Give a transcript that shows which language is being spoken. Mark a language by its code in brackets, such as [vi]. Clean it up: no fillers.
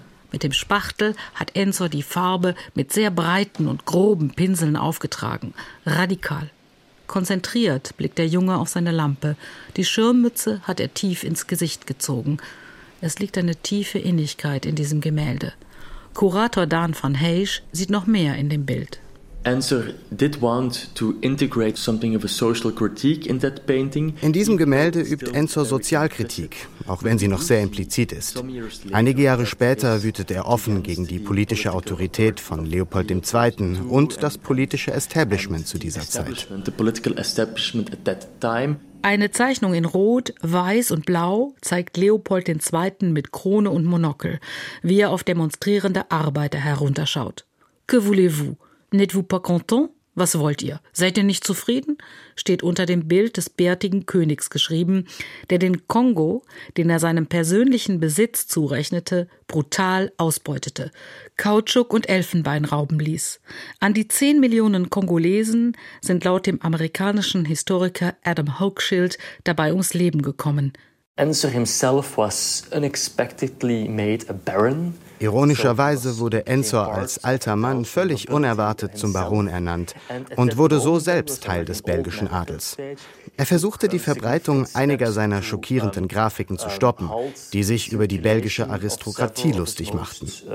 [de] Mit dem Spachtel hat Ensor die Farbe mit sehr breiten und groben Pinseln aufgetragen. Radikal. Konzentriert blickt der Junge auf seine Lampe. Die Schirmmütze hat er tief ins Gesicht gezogen. Es liegt eine tiefe Innigkeit in diesem Gemälde. Kurator Dan van Heijsch sieht noch mehr in dem Bild. [en] Ensor did want to integrate something of a social critique in that painting. [de] In diesem Gemälde übt Ensor Sozialkritik, auch wenn sie noch sehr implizit ist. Einige Jahre später wütet er offen gegen die politische Autorität von Leopold II. Und das politische Establishment zu dieser Zeit. Eine Zeichnung in Rot, Weiß und Blau zeigt Leopold II. Mit Krone und Monokel, wie er auf demonstrierende Arbeiter herunterschaut. [fr] Que voulez-vous? N'êtes-vous pas content? [de] Was wollt ihr? Seid ihr nicht zufrieden? Steht unter dem Bild des bärtigen Königs geschrieben, der den Kongo, den er seinem persönlichen Besitz zurechnete, brutal ausbeutete, Kautschuk und Elfenbein rauben ließ. An die 10 Millionen Kongolesen sind laut dem amerikanischen Historiker Adam Hochschild dabei ums Leben gekommen. [en] Ensor himself was unexpectedly made a baron. [de] Ironischerweise wurde Ensor als alter Mann völlig unerwartet zum Baron ernannt und wurde so selbst Teil des belgischen Adels. Er versuchte die Verbreitung einiger seiner schockierenden Grafiken zu stoppen, die sich über die belgische Aristokratie lustig machten.